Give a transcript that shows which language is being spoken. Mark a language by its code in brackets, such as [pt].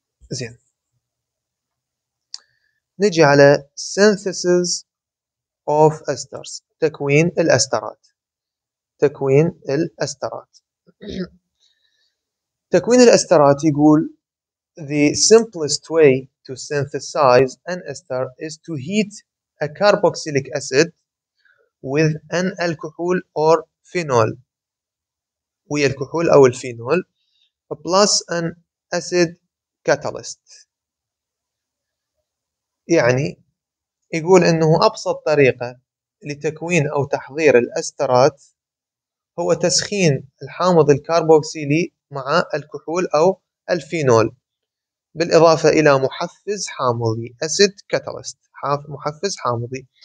[ar] زين، نجي على [en] synthesis of esters، [ar] تكوين الأسترات، تكوين الأسترات. تكوين الأسترات يقول [en] the simplest way to synthesize an ester is to heat a carboxylic acid with an alcohol or phenol، [ar] ويا الكحول أو الفينول، [en] plus an acid catalyst. [ar] يعني يقول إنه أبسط طريقة لتكوين أو تحضير الأسترات هو تسخين الحامض الكربوكسيلي مع الكحول أو الفينول، بالإضافة إلى محفز حامضي acid catalyst، محفز حامضي.